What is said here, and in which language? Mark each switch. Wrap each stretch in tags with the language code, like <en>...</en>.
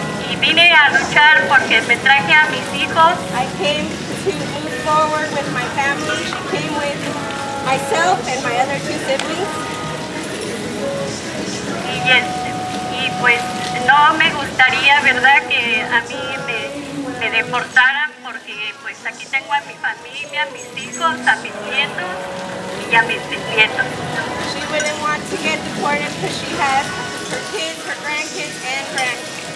<es>Y vine a luchar porque me traje a mis hijos.</es> <en>I came to move forward with my family. She came with myself and my other two siblings.</en> <es>Y pues no me gustaría, ¿verdad?, que a mí me deportaran, porque pues aquí tengo a mi familia, a mis hijos, a mis nietos y a mis bisnietos.</es> <en>She wouldn't want to get deported because she has her kids, her grandkids and grandkids.</en>